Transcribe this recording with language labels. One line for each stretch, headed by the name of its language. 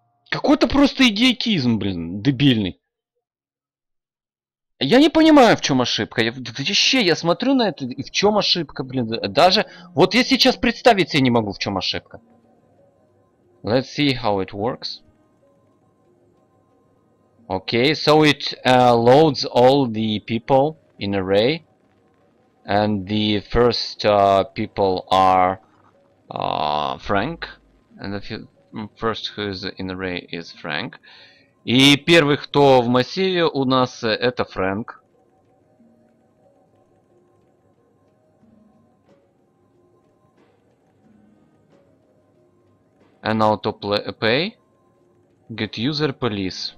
Russian: Какой-то просто идиотизм, блин, дебильный. Я не понимаю, в чем ошибка. Я смотрю на это, и в чем ошибка, блин. Даже вот я сейчас представить себе не могу, в чем ошибка.
English: Let's see how it works. Okay, so it loads all the people in array, and the first people are Frank, and the first who is in array is Frank.
Russian: И первый, кто в массиве у нас, это Фрэнк.
English: An auto pay. Get user police.